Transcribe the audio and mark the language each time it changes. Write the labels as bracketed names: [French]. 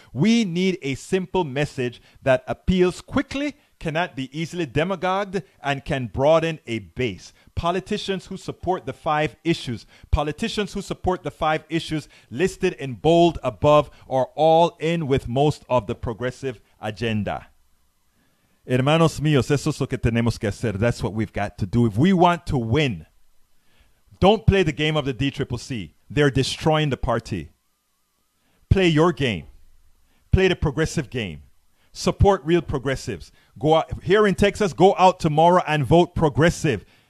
[English] We need a simple message that appeals quickly, cannot be easily demagogued, and can broaden a base. Politicians who support the five issues, politicians who support the five issues listed in bold above are all in with most of the progressive agenda. [Spanish] Hermanos míos, eso es lo que tenemos que hacer. [English] That's what we've got to do. If we want to win, don't play the game of the DCCC. They're destroying the party. Play your game. Play the progressive game. Support real progressives. Go out, here in Texas, go out tomorrow and vote progressive.